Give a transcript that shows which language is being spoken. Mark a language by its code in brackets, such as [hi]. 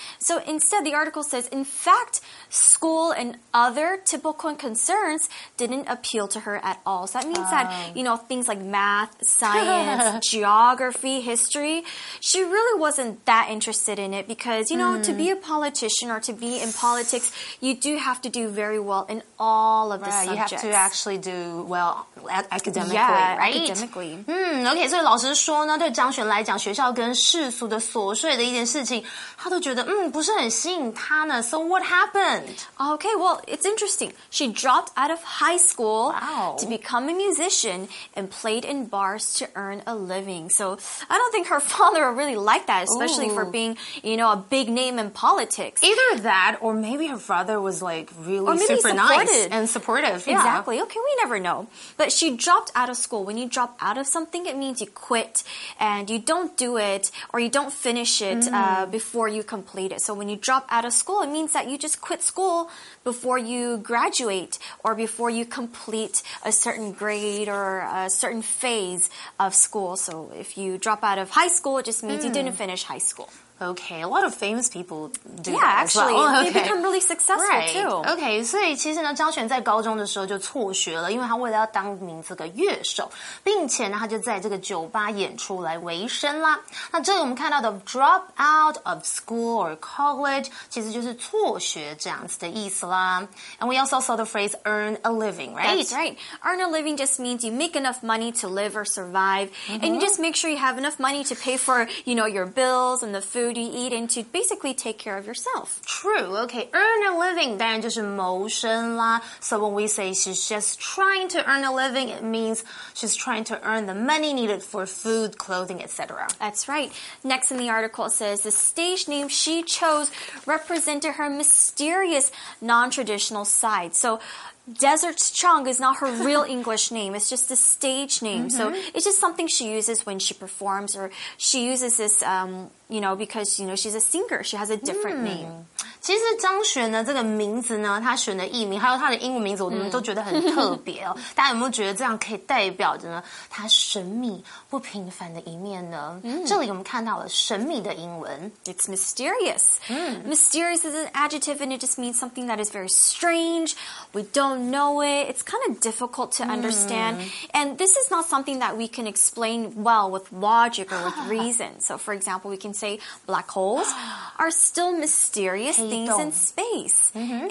[en] So instead, the article says, in fact, school and other typical concerns didn't appeal to her at all. So that means that, you know, things like math, science, geography, history, she really wasn't that interested in it because, you know, to be a politician or to be in politics, you do have to do very well in all of the subjects. You have to actually do well academically, right? Academically. Okay, so [zh] 老实说呢，对张璇来讲，学校跟世俗的琐碎的一件事情，她都觉得不是很吸引她呢。 [en] So what happened? Okay, well, it's interesting. She dropped out of high school to become a musician and played in bars to earn a living. So I don't think her father would really like that, especially for being, you know, a big name in politics. Either that or maybe her father was like really super nice and supportive. Exactly. Exactly. Okay, we never know. But she dropped out of school. When you drop out of something, it means you quit and you don't do it or you don't finish it before you complete it. So when you drop out of school, it means that you just quit school before you graduate or before you complete a certain grade or a certain phase of school. So if you drop out of high school, it just means you didn't finish high school. Okay, a lot of famous people do that actually, as well. Yeah, actually, they become really successful too. [zh] Okay, 所以其实呢，张璇在高中的时候就辍学了，因为他为了要当名字的乐手，并且呢，他就在这个酒吧演出来维生啦。那这里我们看到的 drop out of school or college 其实就是辍学这样子的意思啦。 [en] And we also saw the phrase earn a living, right? That's right. Earn a living just means you make enough money to live or survive,、mm-hmm. and you just make sure you have enough money to pay for, you know, your bills and the food you eat and to basically take care of yourself. True, okay. [zh] Earn a living, 当然就是谋生啦。 [en] So when we say she's just trying to earn a living, it means she's trying to earn the money needed for food, clothing, etc. That's right. Next in the article says, the stage name she chose represented her mysterious non-traditional side. So Desert Chung is not her real English name. It's just a stage name.、Mm-hmm. So it's just something she uses when she performs or she uses this,you know, because, you know, she's a singer. She has a different name. [zh] 其实张璇的这个名字呢，她选的艺名还有她的英文名字我们都觉得很特别哦。大家有没有觉得这样可以代表着呢她神秘不平凡的一面呢、mm. 这里我们看到了神秘的英文。 [en] It's mysterious.、Mm. Mysterious is an adjective and it just means something that is very strange. We don't know it. It's kind of difficult to understand.、Mm. And this is not something that we can explain well with logic or with reason. So, for example, we can say black holes are still mysterious things in space.、Mm-hmm.